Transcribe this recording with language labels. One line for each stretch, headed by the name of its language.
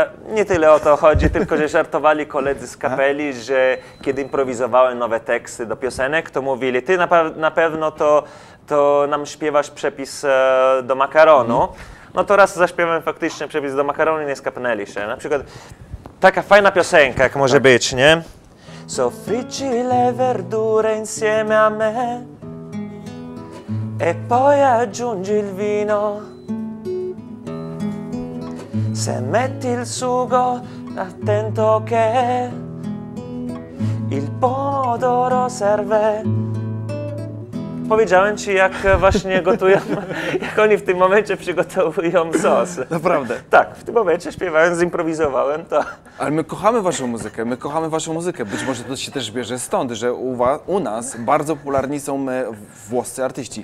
Polish: Nie tyle o to chodzi, tylko że żartowali koledzy z kapeli, że kiedy improwizowałem nowe teksty do piosenek, to mówili, ty na pewno to nam śpiewasz przepis do makaronu. No to raz zaśpiewam faktycznie przepis do makaronu i nie skapnęli się. Na przykład taka fajna piosenka, jak może być, nie?
Italian: Soffrici le verdure insieme a me. E poi aggiungi il vino. Se metti il sugo, attento che il pomodoro serve.
Polish: Powiedziałem ci, jak właśnie gotują, jak oni w tym momencie przygotowują sos. Naprawdę? Tak, w tym momencie śpiewałem, zimprowizowałem to. Ale my kochamy waszą muzykę, my kochamy waszą muzykę. Być może to się też bierze stąd, że u nas bardzo popularni są włoscy artyści.